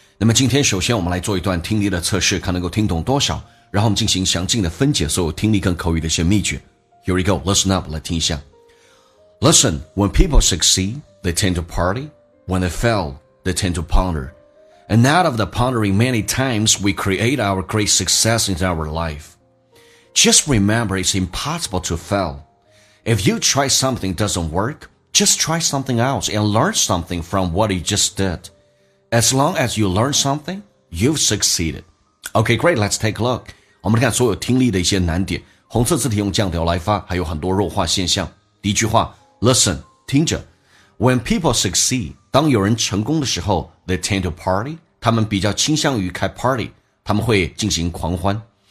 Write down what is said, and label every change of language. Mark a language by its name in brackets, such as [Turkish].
[Chinese] 那么今天首先我们来做一段听力的测试，看能够听懂多少，然后我们进行详尽的分解所有听力跟口语的一些秘诀。 [English] Here we go, listen up, [Chinese] 来听一下。 [English] Listen, when people succeed, they tend to party. When they fail, they tend to ponder. And out of the pondering many times, we create our great success in our life. Just remember, it's impossible to failIf you try something doesn't work, just try something else and learn something from what you just did. As long as you learn something, you've succeeded. Okay, great, let's take a look. [Chinese] 我们来看所有听力的一些难点。红色字体用降调来发，还有很多弱化现象。第一句话， listen, 听着。 [English] When people succeed, [Chinese] 当有人成功的时候， [English] they tend to party, [Chinese] 他们比较倾向于开 party, 他们会进行狂欢。